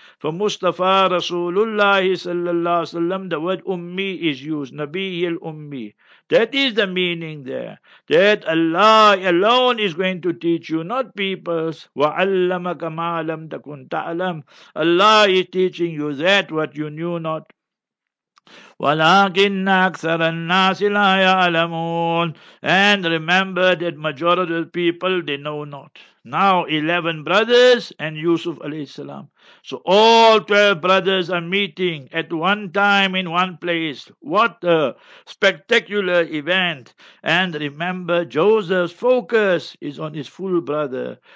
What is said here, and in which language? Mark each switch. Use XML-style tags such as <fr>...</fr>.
<en>For Mustafa Rasulullah sallallahu alaihi wasallam, the word ummi is used. Nabiyil ummi. That is the meaning there. That Allah alone is going to teach you, not peoples.</en> <ar>Wa allamaka ma lam takun ta'lam.</ar> <en>Allah is teaching you that what you knew not.</en> <ar>ولكن أكثر الناس لا يعلمون.</ar> <en>And remember that majority of people, they know not. Now 11 brothers and Yusuf alayhi salam. So all 12 brothers are meeting at one time in one place. What a spectacular event. And remember, Joseph's focus is on his full brother.</en>